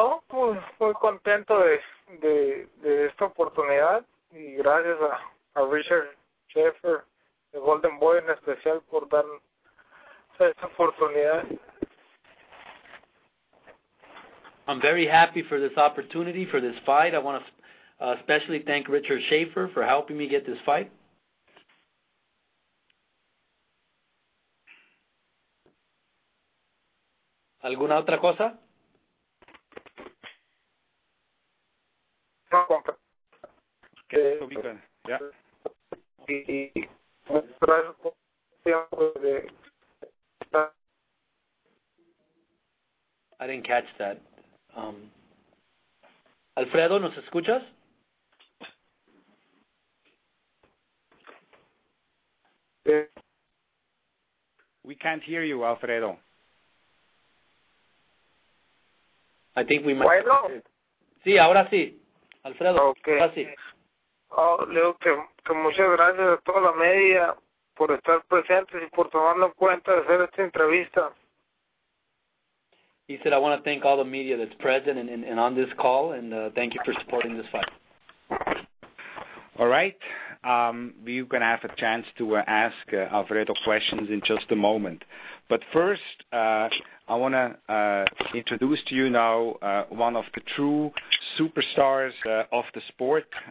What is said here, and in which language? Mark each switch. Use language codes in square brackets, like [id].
[es] Muy contento de esta oportunidad y gracias a Richard Schaefer, de Golden Boy en especial, por dar esta oportunidad. [en] I'm very happy for this opportunity, for this fight. I want to especially thank Richard Schaefer for helping me get this fight. [es] ¿Alguna otra cosa? No, compra. ¿Qué? [en] Yeah. I didn't catch that. [es] Alfredo, ¿nos escuchas? [en] We can't hear you, Alfredo. I think we might. [es] Bueno. Sí, ahora sí. [en] Alfredo, okay. [es] Ahora sí. Leo, que muchas gracias a toda la media por estar presentes y por tomarnos en cuenta de hacer esta entrevista. [en] He said, I want to thank all the media that's present and on this call, and thank you for supporting this fight. All right. We're going to have a chance to ask Alfredo questions in just a moment. But first, I want to introduce to you now one of the true superstars of the sport.